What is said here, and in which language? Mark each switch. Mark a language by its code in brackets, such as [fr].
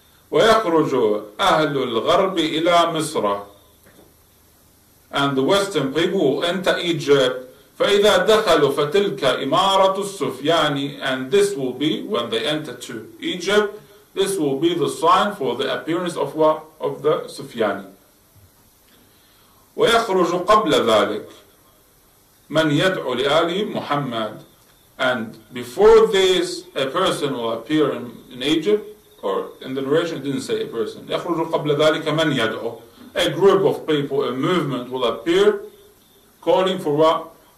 [ar] وَيَخْرُجُ أَهْلُ الْغَرْبِ إِلَى مِصْرَ. [en] And the Western people will enter Egypt. [ar] فَإِذَا دَخَلُ فَتِلْكَ إِمَارَةُ السُّفْيَانِ. [en] And this will be, when they enter to Egypt, this will be the sign for the appearance of what? Of the Sufyani. [ar] ويخرج قبل ذلك من يدعو لآل محمد. [en] And before this, a person will appear in Egypt, or in the narration, it didn't say a person. [ar] يخرج قبل ذلك من يدعو. [en] A group of people, a movement will appear, calling for what?